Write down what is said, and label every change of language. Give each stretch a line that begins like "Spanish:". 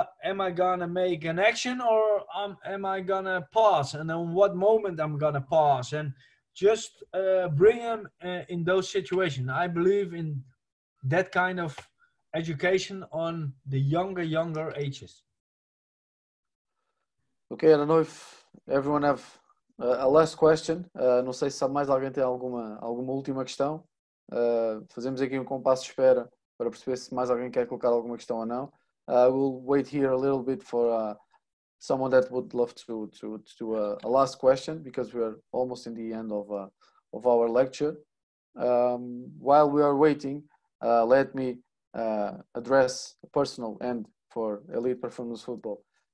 English: Am I gonna make an action, or am I gonna pause, and then what moment I'm gonna pause, and just bring them in those situations. I believe in that kind of education on the younger ages. Okay, I don't know if everyone have a last question.
Portuguese: Não sei se sabe mais alguém tem alguma última questão. Fazemos aqui um compasso de espera para perceber se mais alguém quer colocar alguma questão ou não.
English: We'll wait here a little bit for someone that would love to do a last question, because we are almost in the end of our lecture. While we are waiting, let me address a personal end for Elite Performance Football.